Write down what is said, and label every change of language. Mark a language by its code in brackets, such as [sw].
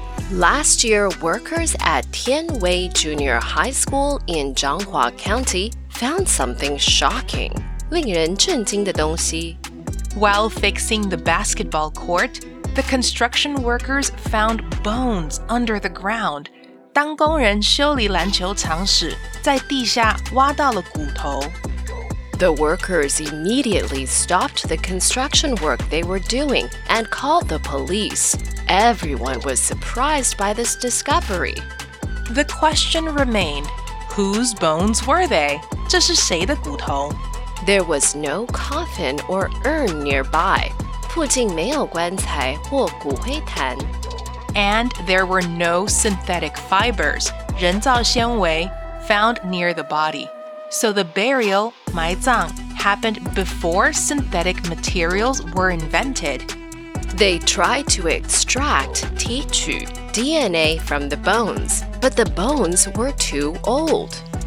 [en] Last year, workers at Tianwei Junior High School in Changhua County found something shocking, [zh] 令人震惊的东西 [en] While fixing the basketball court, the construction workers found bones under the ground. [zh] 当工人修理篮球场时，在地下挖到了骨头。 [en] The workers immediately stopped the construction work they were doing and called the police. Everyone was surprised by this discovery. The question remained, whose bones were they? [zh] 这是谁的骨头? [en] There was no coffin or urn nearby. [zh] 附近没有棺材或骨灰坛。 [en] And there were no synthetic fibers, 人造纤维, found near the body. So the burial, 埋葬, happened before synthetic materials were invented. They tried to extract 提取, DNA from the bones, but the bones were too old.